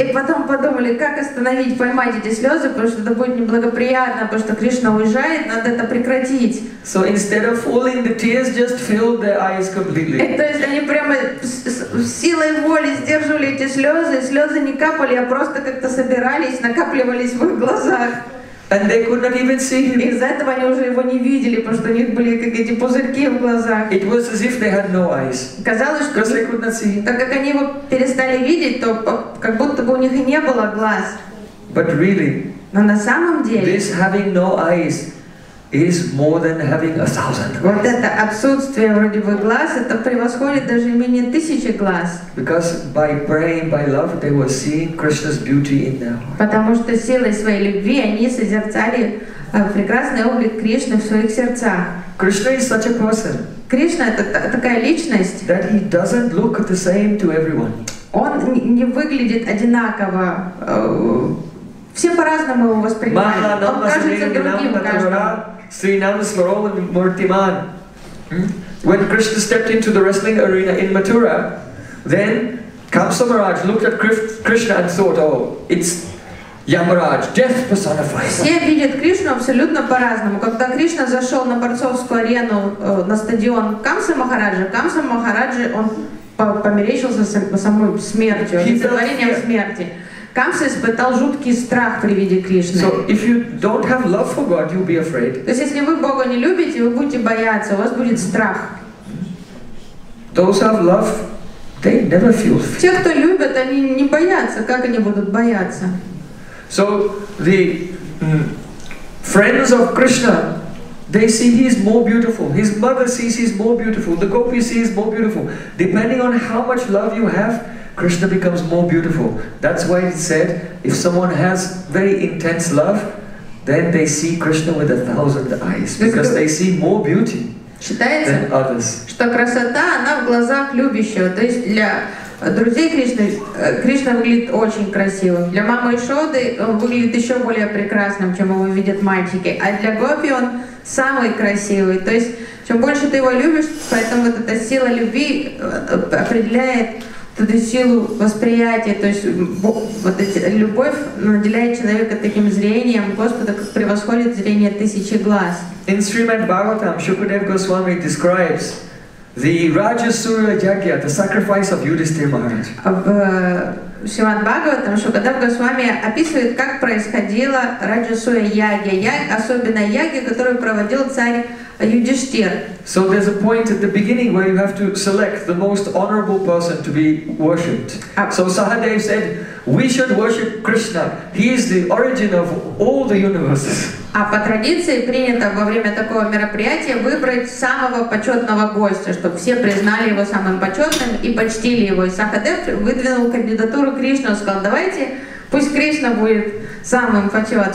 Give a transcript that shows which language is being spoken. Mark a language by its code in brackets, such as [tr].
[ru] И потом подумали, как остановить, поймать эти слезы, потому что это будет неблагоприятно, потому что Кришна уезжает, надо это прекратить. [en] So instead of falling, the tears just filled their eyes completely. [ru] То есть они прямо силой воли сдерживали эти слезы, слезы не капали, а просто как-то собирались, накапливались в их глазах. [en] And they could not even see him. [ru] Из-за этого они уже его не видели, потому что у них были какие-то пузырьки в глазах. [en] It was as if they had no eyes. [ru] Казалось, что [en] they could not see. [ru] Так как они его перестали видеть, то как будто бы у них и не было глаз. [en] But really, [ru] но на самом деле, [en] this having no eyes is more than having 1,000 eyes. [ru] Вот это отсутствие вроде бы глаз, это превосходит даже менее 1,000 глаз. [en] Because by praying, by love, they were seeing Krishna's beauty in their heart. [ru] Потому что силой своей любви они созерцали прекрасный облик Кришны в своих сердцах. [en] Krishna is such a person. [ru] Кришна это такая личность. [en] That he doesn't look the same to everyone. [ru] Он не выглядит одинаково. Все по-разному его воспринимают. Он кажется другим каждому. Srinam Smaroman Murtiman. [en] When Krishna stepped into the wrestling arena in Mathura, then Kamsa Maharaj looked at Krishna and thought, oh, it's Yamaraj, death personified. [ru] Все видят Кришну абсолютно по-разному. Когда Кришна зашел на борцовскую арену, на стадион Камса Махараджа, Камса Махараджа, он померещился самой смертью, олицетворением смерти. Камса испытал жуткий страх при виде Кришны. [en] So if you don't have love for God, you'll be afraid. [ru] То есть если вы Бога не любите, вы будете бояться, у вас будет страх. [en] Those have love, they never feel fear. [ru] Те, кто любят, они не боятся. Как они будут бояться? [en] So the friends of Krishna, they see he is more beautiful. His mother sees he is more beautiful. The gopis see he is more beautiful. Depending on how much love you have, Krishna becomes more beautiful. That's why it said, if someone has very intense love, then they see Krishna with a thousand eyes, because they see more beauty than others. [ru] Что красота, она в глазах любящего. То есть для друзей Кришны, Кришна выглядит очень красивым. Для мамы Ишоды выглядит еще более прекрасным, чем его видят мальчики. А для гопи он самый красивый. То есть, чем больше ты его любишь, поэтому вот эта сила любви определяет эту силу восприятия. То есть, вот эти, любовь наделяет человека таким зрением Господа, как превосходит зрение тысячи глаз. [en] In Srimad Bhagavatam, Shukadev Goswami describes the Rajasura Yagya, the sacrifice of Yudhisthira Maharaj. [ru] В Шримад Бхагаватам Шукадев Госвами описывает, как происходила Раджасура Ягья, особенно Ягья, которую проводил царь Юдиштир. [en] So there's a point at the beginning where you have to select the most honorable person to be worshipped. So Sahadev said, we should worship Krishna. He is the origin of all the universes. [ru] А по традиции принято во время такого мероприятия выбрать самого почетного гостя, чтобы все признали его самым почетным и почтили его. И Сахадев выдвинул кандидатуру Кришну, сказал, давайте, пусть Кришна будет самым почетным.